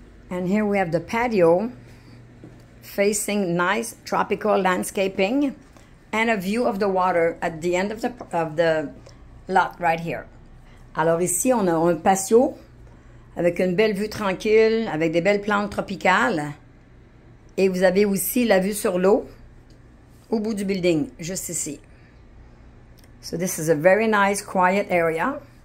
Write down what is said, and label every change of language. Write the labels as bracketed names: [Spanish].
[English] And here we have the patio facing nice tropical landscaping. And a view of the water at the end of the lot right here. [French] Alors ici, on a un patio avec une belle vue tranquille, avec des belles plantes tropicales. Et vous avez aussi la vue sur l'eau au bout du building, juste ici. [English] So this is a very nice, quiet area.